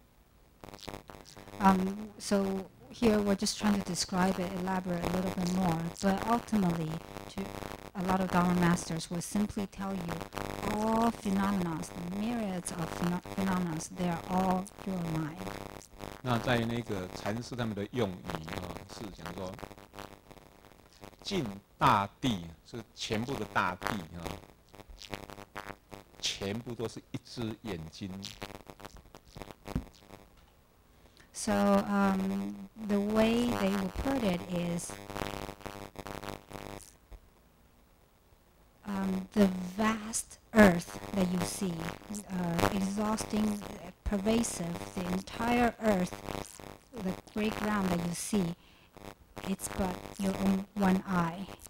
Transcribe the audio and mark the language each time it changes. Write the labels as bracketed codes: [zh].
[zh] 那这边就是说只是把它讲道理出来。如果禅师是讲，他是直接讲说什么，所有的现象都是什么，都是心本身。 [en] So here we're just trying to describe it, elaborate a little bit more. But ultimately, a lot of Dharma masters will simply tell you all phenomena, myriads of phenomena, they are all your mind. [zh] 那在那个禅师他们的用语啊，是讲说，净大地是全部的大地啊，全部都是一只眼睛。 [en] So the way they would put it is the vast earth that you see, exhausting, pervasive, the entire earth, the great ground that you see, it's but your own one eye.